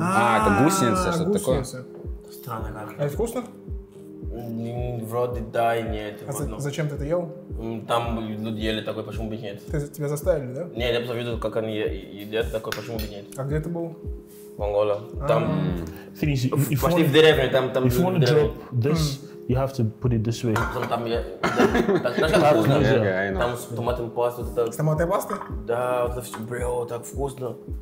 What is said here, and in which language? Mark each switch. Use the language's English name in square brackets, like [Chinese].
[Russian] это гусеница, что-то такое. Странно как. А это вкусно? Вроде да и нет. А зачем ты это ел? Там люди ели такой, почему бы нет. Тебя заставили, да? Нет, я просто видел, как они едят такой, почему бы нет. А где ты был? В Анголе. Там... Почти в деревне, там... [English] If you want to drop this, you have to put it this way. [Russian] Там я... Знаешь, как вкусно? Там с томатной пастой. С томатной пастой? Да, вот это все, бро, так вкусно.